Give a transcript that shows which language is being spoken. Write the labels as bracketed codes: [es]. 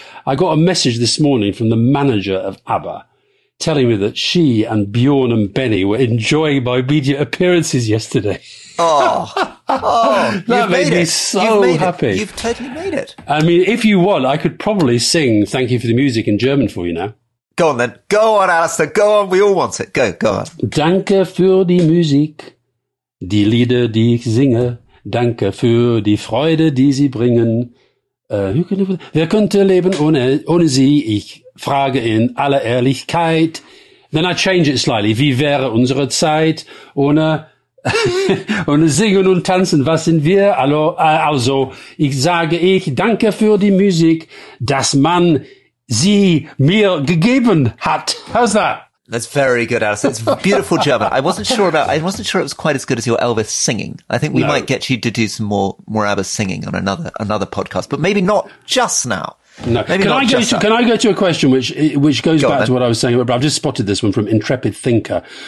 [en] I got a message this morning from the manager of ABBA, telling me that she and Bjorn and Benny were enjoying my media appearances yesterday. Oh, that made me so happy. You've totally made it. I mean, if you want, I could probably sing Thank You for the Music in German for you now. Go on then. Go on, Alistair. Go on. We all want it. Go on. [de] Danke für die Musik, die Lieder, die ich singe. Danke für die Freude, die sie bringen. [en] Who can live with it? [de] Wer könnte leben ohne sie? Ich frage in aller Ehrlichkeit. [en] Then I change it slightly. [de] Wie wäre unsere Zeit ohne, ohne singen und tanzen? Was sind wir? Also, ich sage ich danke für die Musik, dass man sie mir gegeben hat. [en] How's that? That's very good, Alison. It's beautiful German. I wasn't sure it was quite as good as your Elvis singing. I think we might get you to do some more ABBA singing on another podcast, but maybe not just now. No. Can I go to a question which goes back to what I was saying? But I've just spotted this one from Intrepid Thinker.